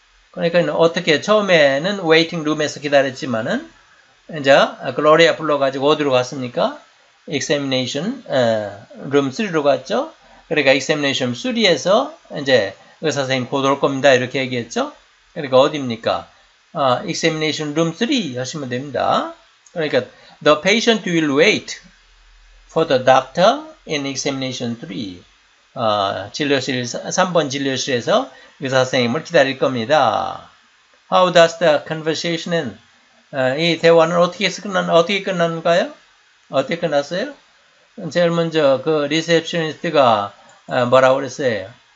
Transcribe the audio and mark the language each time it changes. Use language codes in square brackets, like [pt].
[ko] 그러니까 어떻게 처음에는 웨이팅 룸에서 기다렸지만은 이제 글로리아 불러가지고 어디로 갔습니까? 익세미네이션 룸 3로 갔죠. 그러니까 익세미네이션 3에서 이제 의사 선생님 곧 올 겁니다 이렇게 얘기했죠. 그러니까 어디입니까? 익세미네이션 룸 3 하시면 됩니다. 그러니까 [en] the patient will wait for the doctor in examination 3. [ko] 진료실 3번 진료실에서 의사 선생님을 기다릴 겁니다. [en] How does the conversation end? [ko] 이 대화는 어떻게 끝났어요? 제일 먼저 그 리셉션리스트가 뭐라고 그랬어요?